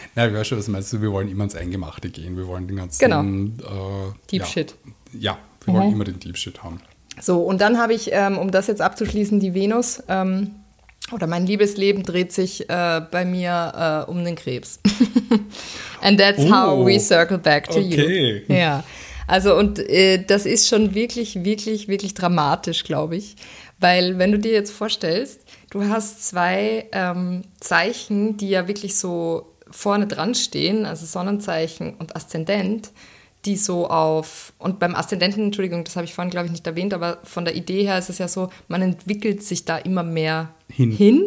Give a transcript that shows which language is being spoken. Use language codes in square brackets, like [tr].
[de] Nein, ich weiß schon, was meinst du, wir wollen immer ins Eingemachte gehen, wir wollen den ganzen... Genau, [en] Deep Shit. [de] Ja, wir wollen immer den [en] Deep Shit [de] haben. So, und dann habe ich, um das jetzt abzuschließen, die Venus, oder mein Liebesleben dreht sich bei mir um den Krebs. [en] And that's how we circle back to you. [de] Okay. Ja, also und das ist schon wirklich, wirklich, wirklich dramatisch, glaube ich. Weil wenn du dir jetzt vorstellst, du hast zwei Zeichen, die ja wirklich so vorne dran stehen, also Sonnenzeichen und Aszendent, die so auf, und beim Aszendenten, Entschuldigung, das habe ich vorhin, glaube ich, nicht erwähnt, aber von der Idee her ist es ja so, man entwickelt sich da immer mehr hin